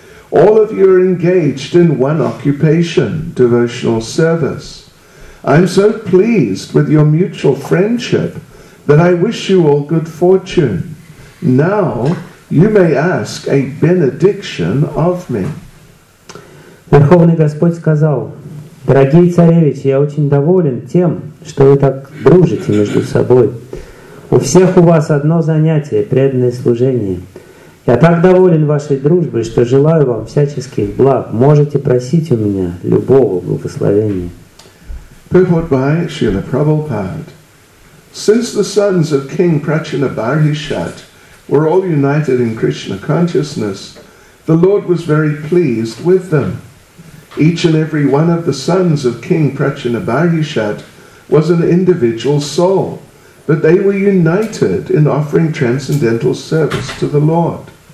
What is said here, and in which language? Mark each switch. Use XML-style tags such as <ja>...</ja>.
<en>All of you are engaged in one occupation, devotional service. I'm so pleased with your mutual friendship that I wish you all good fortune. Now you may ask a benediction of me."</en> <ru>Верховный Господь сказал: "Дорогие царевичи, я очень доволен тем, что вы так дружите между собой. У всех у вас одно занятие – преданное служение. Я так доволен вашей дружбой, что желаю вам всяческих благ. Можете просить у меня любого благословения."</ru> <en>Purport by Srila Prabhupada. Since the sons of King Prachinabharishat were all united in Krishna consciousness, the Lord was very pleased with them. Each and every one of the sons of King Prachinabharishat was an individual soul, but they were united in offering transcendental service to the Lord.</en>